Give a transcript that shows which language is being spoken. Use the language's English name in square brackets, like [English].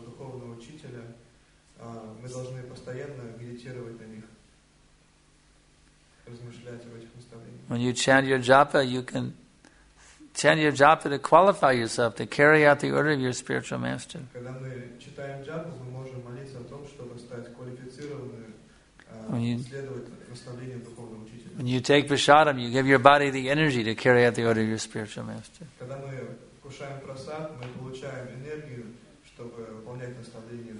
[Russian] должны постоянно медитировать на них, размышлять об этих наставлениях. [English] When you chant your japa, you can chant your japa to qualify yourself, to carry out the order of your spiritual master. [Russian] Когда мы читаем джапу, мы можем молиться о том, чтобы стать квалифицированными, следовать наставлениям духовного учителя. [English] When you take prasadam, you give your body the energy to carry out the order of your spiritual master. [Russian] Когда мы кушаем прасад, мы получаем энергию, чтобы выполнять наставления.